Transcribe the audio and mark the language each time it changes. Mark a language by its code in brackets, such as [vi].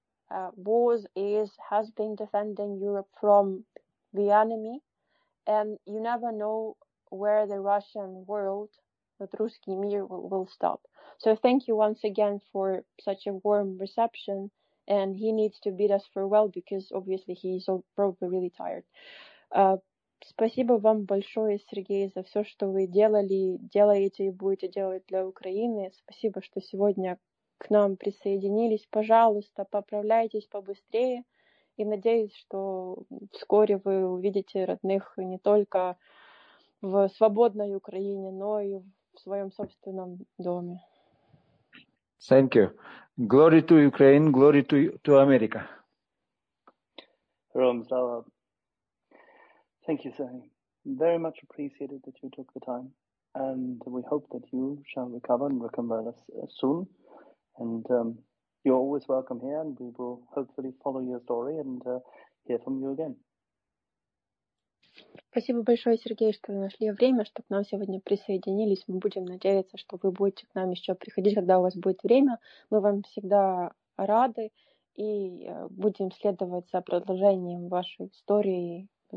[en] Has been defending Europe from the enemy, and you never know where the Russian world, the Ruski Mir, will stop. So thank you once again for such a warm reception, and he needs to bid us farewell because obviously he's probably really tired. [ru] Спасибо вам большое, Сергей, за все, что вы делали, делаете и будете делать для Украины. Спасибо, что сегодня к нам присоединились. Пожалуйста, поправляйтесь побыстрее и надеюсь, что вскоре вы увидите родных не только в свободной Украине, но и в своем собственном доме. [en] Thank you. Glory to Ukraine, glory to America. [ru] Ром, слава. [en] Thank you, sir. Very much appreciated that you took the time, and we hope that you shall recover and recover soon. And you're always welcome here, and we will hopefully follow your story and hear from you again. [ru] Спасибо большое, Сергей, что вы нашли время, что к нам сегодня присоединились. Мы будем надеяться, что вы будете к нам еще приходить, когда у вас будет время. Мы вам всегда рады и будем следовать за продолжением вашей истории.